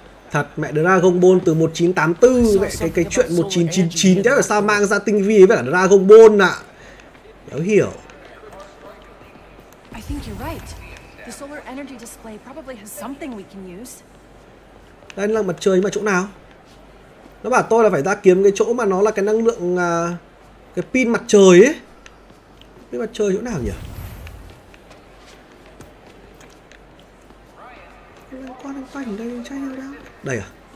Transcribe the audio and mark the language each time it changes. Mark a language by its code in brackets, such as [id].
[vi] Thật mẹ Dragon Ball từ 1984, mẹ cái chuyện 1999 chứ là sao mang ra tinh vi với cả Dragon Ball ạ. Đéo hiểu. [en] I think you're right. The solar energy display probably has something we can use. [vi] Đây là mặt trời mà chỗ nào? Nó bảo tôi là phải ra kiếm cái chỗ mà nó là cái năng lượng cái pin mặt trời ấy. Pin mặt trời chỗ nào nhỉ? Quanh đây chơi nhau đâu? Đây à?